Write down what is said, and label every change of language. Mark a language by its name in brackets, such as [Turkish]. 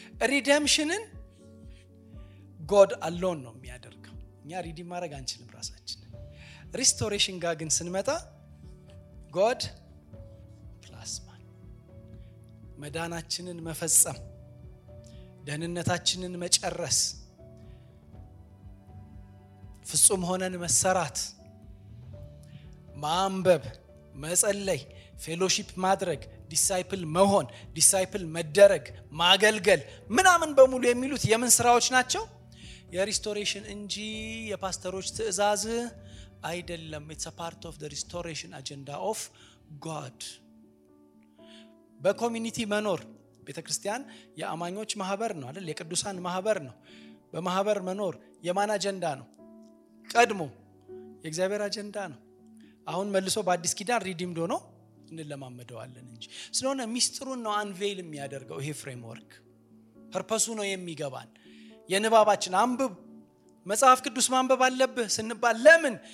[Amharic] redemptionን [English] God alone [Amharic] ነው የሚያደርገው። እኛ redeem ማድረግ አንችልም ራሳችን። restoration ጋር ግን ስንመጣ [English] God plus man [Amharic] መዳናችንን መፈጸም ደህንነታችንን መጨረስ ፍጹም ሆነን መሰራት ማንበብ መጸለይ ፌሎሺፕ ማድረግ ዲሳይፕል መሆን ዲሳይፕል መደረግ ማገልገል ምናምን በሙሉ የሚሉት የምን ስራዎች ናቸው? የሪስቶሬሽን እንጂ የፓስተሮች ትእዛዝ አይደለም። [English] It's a part of the restoration agenda of God. [Amharic] በኮሚኒቲ መኖር ቤተክርስቲያን የአማኞች ማህበር ነው አይደል? የቅዱሳን ማህበር ነው። በማህበር መኖር የማን አጀንዳ ነው? ቀድሞ የእግዚአብሔር አጀንዳ ነው። አሁን መልሶ በአዲስ ኪዳን ሪዲምድ ሆኖ እንለማመደዋለን እንጂ ስለሆነ ሚስጥሩን ነው አንቬል የሚያደርገው ይሄ ፍሬምወርክ። ፐርፐሱ ነው የሚገባን። የንባባችን አንብብ መጽሐፍ ቅዱስ ማንበብ አለብህ ስንባል ለምን?